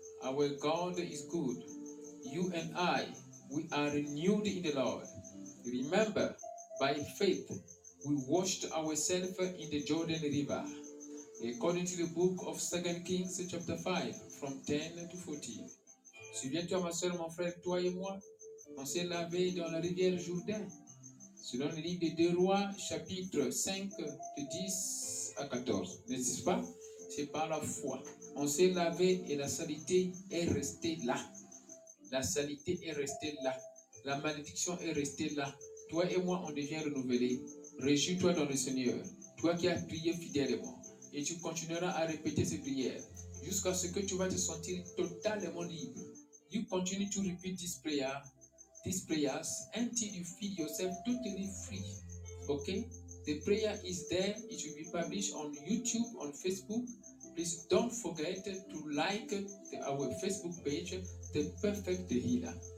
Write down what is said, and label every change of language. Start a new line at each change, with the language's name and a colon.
English: Our God is good. You and I, we are renewed in the Lord. Remember, by faith, we washed ourselves in the Jordan River, according to the book of 2 Kings, chapter 5, from 10 to 14.
French: Souviens-toi, ma soeur, mon frère, toi et moi, on s'est lavé dans la rivière Jourdain, selon le livre des Deux Rois, chapitre 5, de 10 à 14. N'est-ce pas? C'est par la foi. On s'est lavé et la saleté est restée là. La saleté est restée là. La malédiction est restée là. Toi et moi, on devient renouvelés. Réjouis-toi dans le Seigneur. Toi qui as prié fidèlement. Et tu continueras à répéter ces prières. Jusqu'à ce que tu vas te sentir totalement libre.
English: You continue to repeat this prayer. This prayers until you feel yourself totally free. Okay? The prayer is there. It will be published on YouTube, on Facebook. Please don't forget to like our Facebook page, The Perfect Healer.